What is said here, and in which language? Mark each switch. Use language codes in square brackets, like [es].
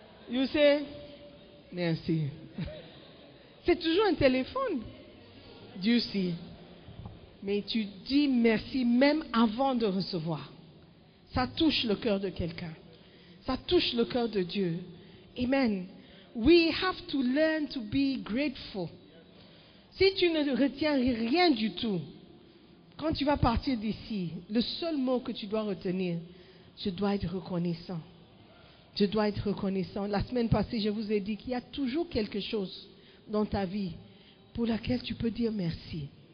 [en] You say, [fr] merci. C'est toujours un téléphone. [en] Do you see? [fr] Mais tu dis merci même avant de recevoir. Ça touche le cœur de quelqu'un. Ça touche le cœur de Dieu. Amen. [en] We have to learn to be grateful. [fr] Si tu ne retiens rien du tout, quand tu vas partir d'ici, le seul mot que tu dois retenir, je dois être reconnaissant. Je dois être reconnaissant. La semaine passée, je vous ai dit qu'il y a toujours quelque chose dans ta vie pour laquelle tu peux dire merci.